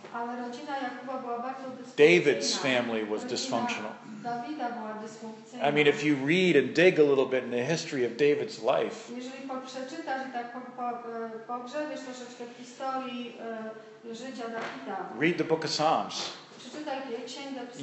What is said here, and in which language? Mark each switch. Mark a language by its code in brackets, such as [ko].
[pl] Ale rodzina Jakuba była bardzo dysfunkcyjna. [en] David's family was dysfunctional. [pl] Dawida była dysfunkcyjna. [en] I mean, if you read and dig a little bit in the history of David's life, [pl] jeżeli poprzeczytasz i tak pogrzebiesz troszeczkę w historii życia Dawida, [en] read the book of Psalms. [pl] Przeczytaj księgę Psalmów.